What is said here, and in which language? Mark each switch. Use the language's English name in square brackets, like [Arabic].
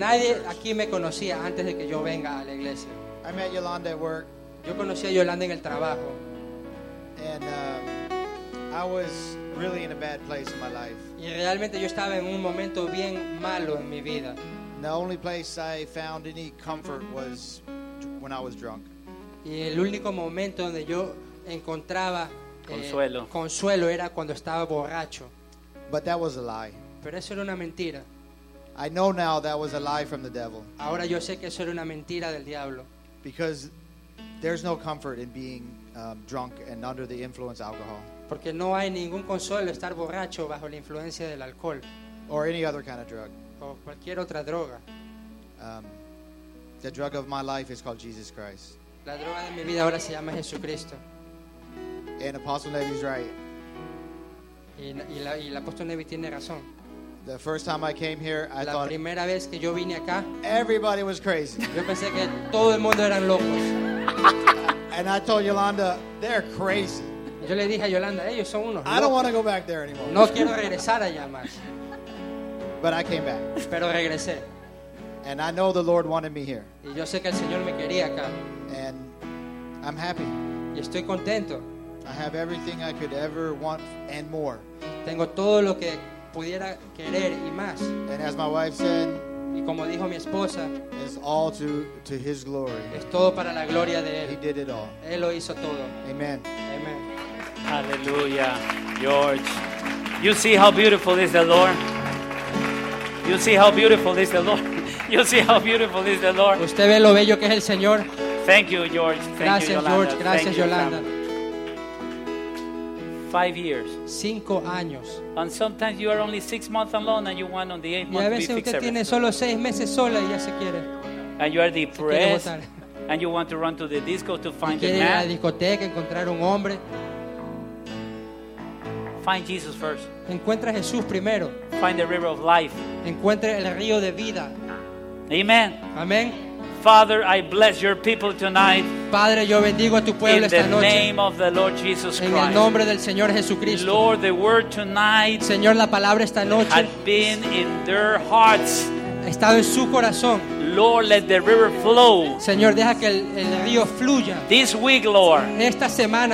[Spanish] Nadie aquí me conocía antes de que yo venga a la iglesia. [English] I met Yolanda at work. [Spanish] Yo conocí a Yolanda en el trabajo. [English] And I was really in a bad place in my life. [Spanish] Y realmente yo estaba en un momento bien malo en mi vida. [English] The only place I found any comfort was when I was drunk. [Spanish] Y el único momento donde yo encontraba consuelo era cuando estaba borracho. [English] But that was a lie. [Spanish] Pero eso era una mentira. [English] I know now that was a lie from the devil. [Spanish] Ahora yo sé que eso era una mentira del diablo. [English] Because there's no comfort in being drunk and under the influence of alcohol. [Spanish] Porque no hay ningún consuelo estar borracho bajo la influencia del alcohol. [English] Or any other kind of drug. [Spanish] O cualquier otra droga. [English] The drug of my life is called Jesus Christ. [Spanish] La droga de mi vida ahora se llama Jesucristo. [English] And Apostle Nevi's right. [Spanish] Y el Apóstol Nevi tiene razón. [English] The first time I came here, I [Spanish] la [English] thought [Spanish] primera vez que yo vine acá, [English] everybody was crazy. [Spanish] Yo pensé que todo el mundo eran locos. [English] And I told Yolanda, they're crazy. [Spanish] Yo le dije a Yolanda, ellos son unos. [English] I don't want to go back there anymore. [Spanish] No quiero regresar allá más. [English] But I came back. [Spanish] Pero regresé. [English] And I know the Lord wanted me here. [Spanish] Y yo sé que el Señor me quería acá. [English] And I'm happy. [Spanish] Y estoy contento. [English] I have everything I could ever want and more. [Spanish] Tengo todo lo que pudiera querer y más. [English] And as my wife said, [Spanish] y como dijo mi esposa, [English] it's all to His glory. [Spanish] Es todo para la gloria de Él. [English] He did it all. [Spanish] Él lo hizo todo. Amen. Amen. [English] Hallelujah, George. You see how beautiful is the Lord. You see how beautiful is the Lord. You see how beautiful is the Lord. [Spanish] Usted ve lo bello que es el Señor. [English] Thank you, George. [Spanish] Gracias, George. Gracias, Yolanda. [English] 5 years. [Spanish] 5 años. [English] And sometimes you are only 6 months alone, and you want on the 8th month to fix everything. [Spanish] Y a veces usted tiene solo 6 meses sola y ya se quiere. [English] And you are depressed. And you want to run to the disco to find a man. [Spanish] Quiere ir a la discoteca encontrar un hombre. [English] Find Jesus first. [Spanish] Encuentra a Jesús primero. [English] Find the river of life. [Spanish] Encuentra el río de vida. Amen. Amen. [English] Father, I bless your people tonight. [Spanish] Padre, yo bendigo a tu pueblo esta noche. [English] In the name of the Lord Jesus Christ. [Spanish] En el nombre del Señor Jesucristo. [English] Lord, the word tonight. [Spanish] Señor, la palabra esta noche. [English] Has been in their hearts. [Spanish] Ha estado en su corazón. [English] Lord, let the river flow. [Spanish] Señor, deja que el río fluya. [English] This week, Lord. [Spanish] Esta semana,